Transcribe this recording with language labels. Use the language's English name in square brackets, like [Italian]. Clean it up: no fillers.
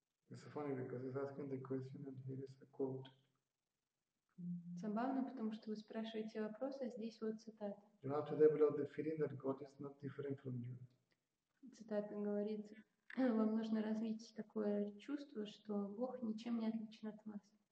[English] It's funny because he's asking the question and here is a quote. [Russian] Забавно, потому что вы спрашиваете вопрос, а здесь вот цитата. [English] You have to develop the feeling that God is not different from you. [Russian] Цитата говорит, вам нужно развить такое чувство, что Бог ничем не отличен от вас.